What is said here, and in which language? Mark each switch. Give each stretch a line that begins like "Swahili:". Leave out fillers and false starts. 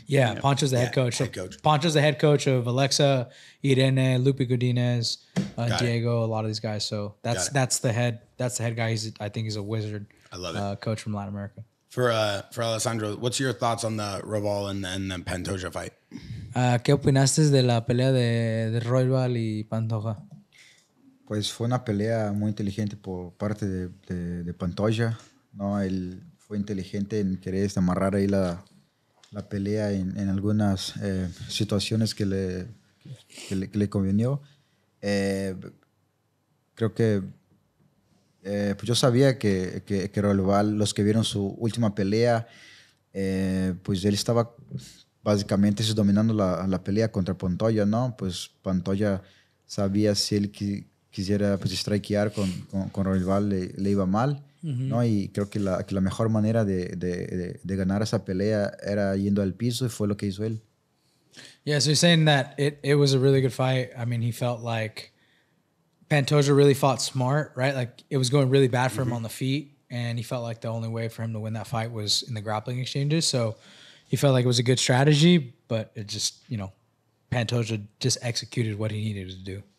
English: Yeah, yep. Pancho's the head coach. Pancho's the head coach of Alexa, Irene, Lupe Godinez, Diego, a lot of these guys. So that's the head guy. He's a wizard. I love it. Coach from Latin America. For Alessandro, what's your thoughts on the Roval and the Pantoja fight?
Spanish: ¿Qué opinaste de la pelea de Roval y Pantoja? Pues fue una pelea muy inteligente por parte de Pantoja, ¿no? Él fue inteligente en querer amarrar ahí la pelea en algunas situaciones que le convenió. Creo que pues yo sabía que Roval, los que vieron su última pelea, pues él estaba básicamente dominando la pelea contra Pantoja, ¿no? Pues Pantoja sabía si él quisiera pues strikear con Roval le iba mal, ¿no? Y creo que la mejor manera de ganar esa pelea era yendo al piso y fue lo que hizo él.
English: Yeah, so you're saying that it was a really good fight. I mean, he felt like Pantoja really fought smart, right? Like it was going really bad for him on the feet, and he felt like the only way for him to win that fight was in the grappling exchanges. So he felt like it was a good strategy, but it just, you know, Pantoja just executed what he needed to do.